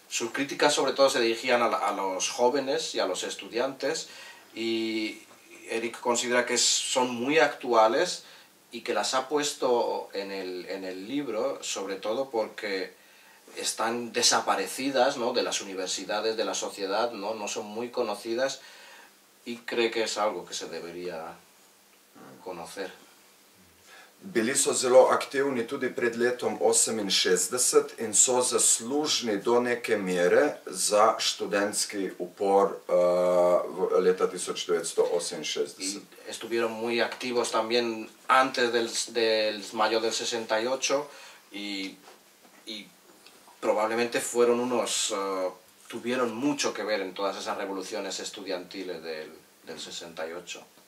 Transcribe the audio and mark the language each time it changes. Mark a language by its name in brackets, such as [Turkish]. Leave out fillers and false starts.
[Spanish] Sus críticas sobre todo se dirigían a los jóvenes y a los estudiantes y Eric considera que son muy actuales y que las ha puesto en el libro sobre todo porque están desaparecidas, ¿no?, de las universidades, de la sociedad, ¿no? No son muy conocidas y cree que es algo que se debería conocer. [Slovenian] Bili so zelo aktivni tudi pred letom 68 in so zaslužni do neke mere za študentski upor leta 1968. [Spanish] Estuvieron muy activos también antes del mayo del 68 y probablemente fueron tuvieron mucho que ver en todas esas revoluciones estudiantiles del 68.